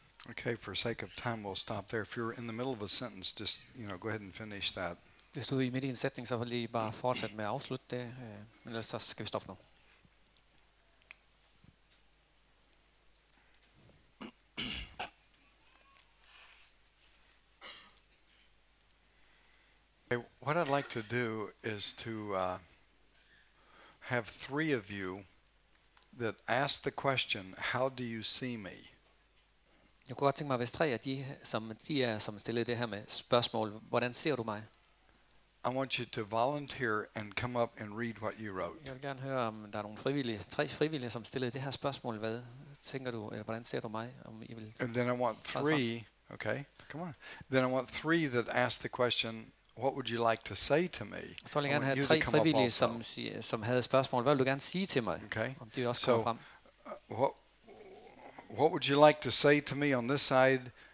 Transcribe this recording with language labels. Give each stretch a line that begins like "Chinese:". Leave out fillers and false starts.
English: Okay, for sake of time, we'll stop there. If you're in the middle of a sentence, just, you know, go ahead and finish that.
Danish: Hvis du er i midt i en sætning, så vil lige bare fortsætte med at afslutte det, men ellers så skal vi stoppe nu.
English: Okay, what I'd like to do is to have three of you that ask the question, how do you see me?
Danish: Jeg kunne godt tænke mig, hvis tre af de som stillede det her med spørgsmål, hvordan ser du mig?
English: I want you to volunteer and come up and read what you wrote.
Danish: Jeg vil gerne høre om der er nogle frivillige, tre frivillige som stillede det her spørgsmål, hvad tænker du eller hvordan ser du mig, om I vil.
English: And then I want three, okay? Come on. Then I want three that ask the question, what would you like to say to me?
Danish: Så vil jeg gerne have tre frivillige som havde spørgsmål, hvad vil du gerne sige til mig?
English: Okay.
Danish: Om de også kommer frem.
English: What would you like to say to me on this side?